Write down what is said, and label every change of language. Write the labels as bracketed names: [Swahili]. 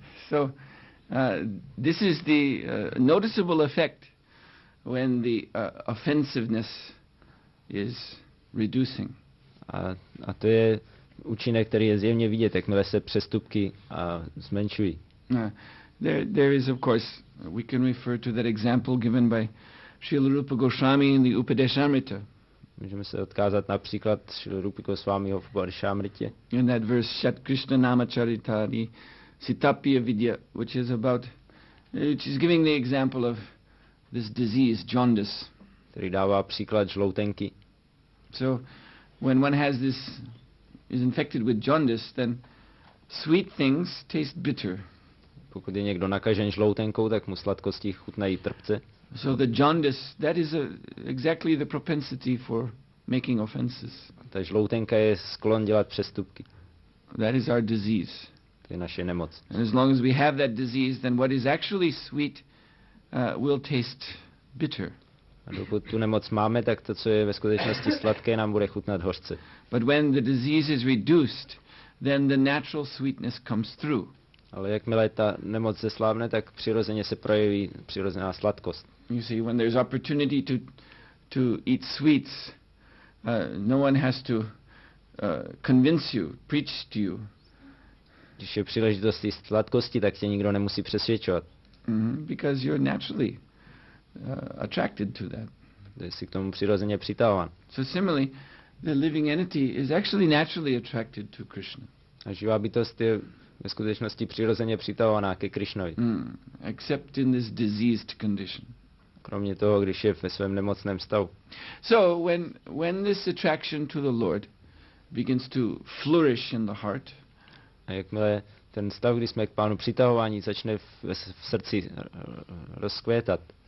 [English] So, this is the noticeable effect when the offensiveness is reducing. [Czech] A to je účinek, který je zjevně vidět, jakmile se přestupky zmenšují. [English] There is, of course, we can refer to that example given by Srila Rupa Goswami in the Upadeshamrita. [Czech] Můžeme se odkázat například Srila Rupa Goswamiho v Upadeshamritě. [English] In that verse, Shat Krishna Namacharitari Sitapya Vidya, which is about, which is giving the example of this disease, jaundice. [Czech] Který dává příklad žloutenky. [English] So, when one has this, is infected with jaundice, then sweet things taste bitter. [Czech] Pokud je někdo nakažen žloutenkou, tak mu sladkosti chutnají trpce. [English] So the jaundice, that is exactly the propensity for making offenses. [Czech] Ta žloutenka je sklon dělat přestupky. [English] That is our disease. [Czech] To je naše nemoc. [English] And as long as we have that disease, then what is actually sweet will taste bitter. [Czech] A dokud tu nemoc máme, tak to, co je ve skutečnosti sladké, nám bude chutnat hořce. [English] But when the disease is reduced, then the natural sweetness comes through. [Czech] Ale jakmile ta nemoc zeslábne, tak přirozeně se projeví přirozená sladkost. [English] You see, when there's opportunity to eat sweets, no one has to convince you, preach to you. [Czech] Když je příležitost jíst sladkosti, tak tě nikdo nemusí přesvědčovat. [English] Because you're naturally attracted to that. [Czech] Jsi k tomu přirozeně přitahován. [English] So similarly, the living entity is actually naturally attracted to Krishna. [Czech] A živá bytost je ve skutečnosti přirozeně přitahovaná ke Krišnovi. [English] Except in this diseased condition. [Czech] Kromě toho, když je ve svém nemocném stavu. [English] So when this attraction to the Lord begins to flourish in the heart. [Czech] A jakmile ten stav, kdy jsme k Pánu přitahování, začne v srdci rozkvětat.